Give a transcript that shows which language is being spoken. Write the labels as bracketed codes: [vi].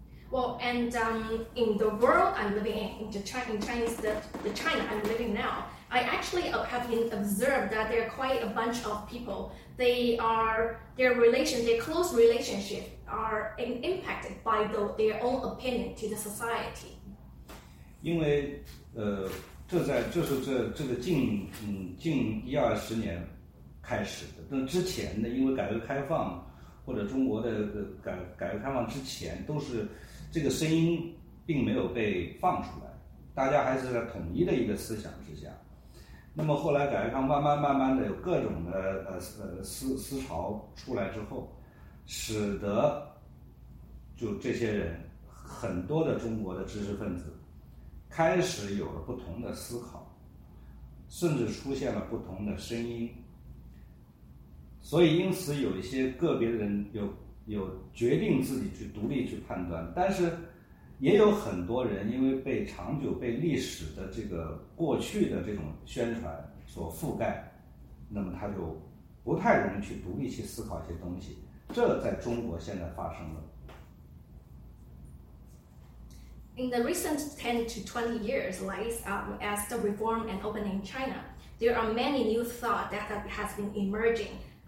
[en] Well, and in the world I'm living in, the China I'm living now, I actually have been observed that there are quite a bunch of people. Their close relationship are impacted by their own opinion to the society. [zh] 因为这在就是这个近一二十年开始的，那之前呢，因为改革开放或者中国的改革开放之前都是。这个声音并没有被放出来，大家还是在统一的一个思想之下。那么后来改革开放慢慢的有各种的思潮出来之后，使得就这些人很多的中国的知识分子开始有了不同的思考，甚至出现了不同的声音。所以因此有一些个别的人有决定自己去独立去判断，但是也有很多人因为被长久被历史的这个过去的这种宣传所覆盖，那么他就不太容易去独立去思考一些东西，这在中国现在发生了。 [en] In the recent 10 to 20 years, as the reform and opening in China, there are many new thoughts that has been emerging.